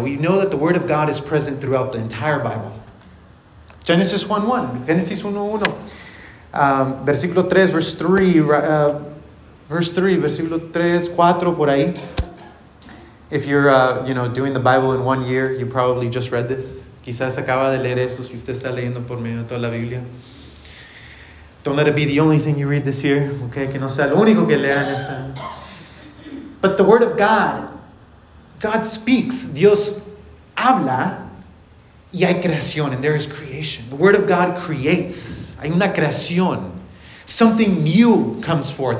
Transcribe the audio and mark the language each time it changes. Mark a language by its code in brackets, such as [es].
[en] We know that the word of God is present throughout the entire Bible. Genesis 1:1, Génesis 1:1. [es] Versículo 3, [en] verse 3, verse 3, [es] versículo 3, 4, por ahí. [en] If you're, you know, doing the Bible in 1 year, you probably just read this. [es] Quizás acaba de leer eso si usted está leyendo por medio de toda la Biblia. [en] Don't let it be the only thing you read this year, okay? [es] Que no sea lo único que lean esta. [en] But the Word of God, God speaks. [es] Dios habla y hay creación, [en] and there is creation. The Word of God creates. [es] Hay una creación. [en] Something new comes forth.